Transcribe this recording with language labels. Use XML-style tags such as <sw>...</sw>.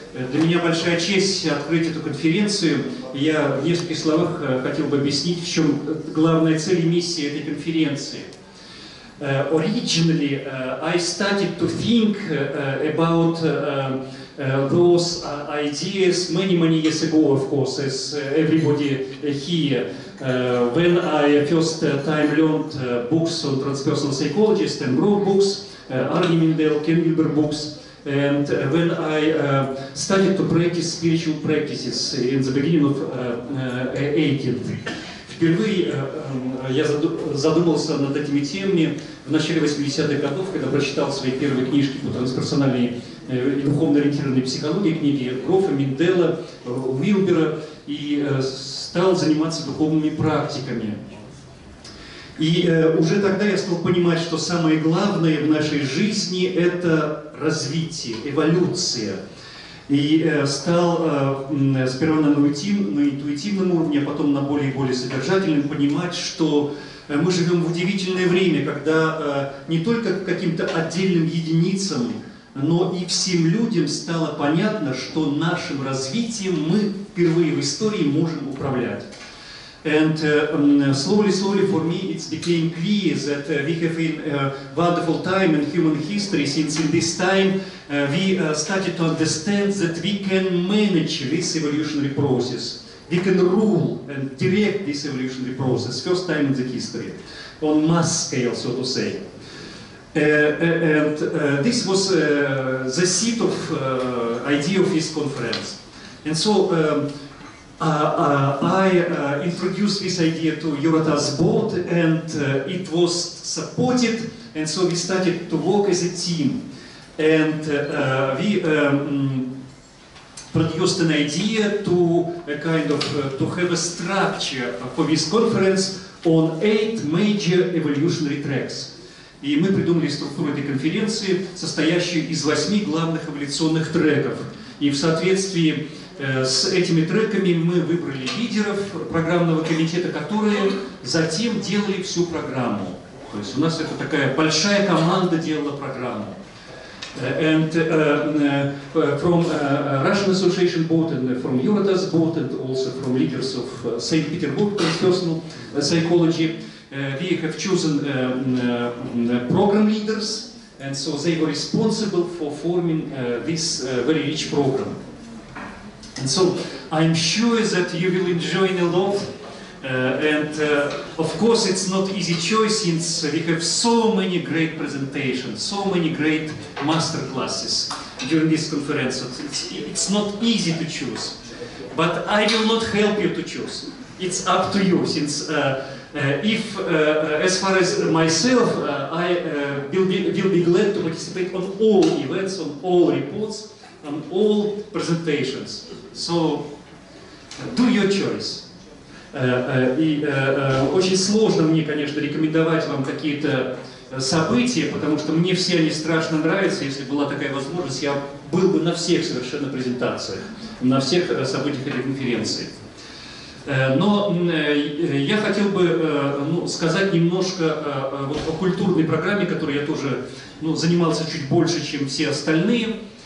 <ru>Для меня большая честь открыть эту конференцию. Я в нескольких словах хотел бы объяснить, в чем главная цель и миссия этой конференции.</ru> <en>Originally, I started to think about those ideas many years ago, of course, as everybody here. When I first time learned books on transpersonal psychology, Stan Grof books, Arnie Mindell, Ken Wilber books, and when I started to practice spiritual practices in the beginning of 18th.</en> <ru>Впервые я задумался над этими темами в начале 80-х годов, когда прочитал свои первые книжки по трансперсональной и духовно-ориентированной психологии, книги Грофа, Минделла, Уилбера, и стал заниматься духовными практиками. И уже тогда я стал понимать, что самое главное в нашей жизни – это развитие, эволюция. И стал сперва на интуитивном уровне, а потом на более и более содержательном понимать, что мы живем в удивительное время, когда не только к каким-то отдельным единицам, но и всем людям стало понятно, что нашим развитием мы впервые в истории можем управлять.</ru> <en>And slowly for me it became clear that we have a wonderful time in human history, since in this time we started to understand that we can manage this evolutionary process. We can rule and direct this evolutionary process, first time in the history, on mass scale, so to say. And this was the seat of idea of this conference. And so I introduced this idea to Eurotas board, and it was supported, and so we started to work as a team. And we produced an idea to a kind of to have a structure for this conference on 8 major evolutionary tracks.</en> <ru>И мы придумали структуру этой конференции, состоящую из 8 главных эволюционных треков. И в соответствии с этими треками мы выбрали лидеров программного комитета, которые затем делали всю программу. То есть у нас это такая большая команда делала программу.</ru> <en>And from Russian Association Board and from Eurotas Board and also from leaders of St. Petersburg Transpersonal Psychology, we have chosen program leaders, and so they were responsible for forming this very rich program. And so I'm sure that you will enjoy a lot. Of course, it's not easy choice, since we have so many great presentations, so many great master classes during this conference. So it's not easy to choose, but I will not help you to choose. It's up to you, since as far as myself, I will be glad to participate on all events, on all reports, on all presentations. So do your choice.</en> <ru>И очень сложно мне, конечно, рекомендовать вам какие-то события, потому что мне все они страшно нравятся. Если была такая возможность, я был бы на всех совершенно презентациях, на всех событиях этой конференции. Но я хотел бы сказать немножко вот о культурной программе, которой я тоже занимался чуть больше, чем все остальные.</ru>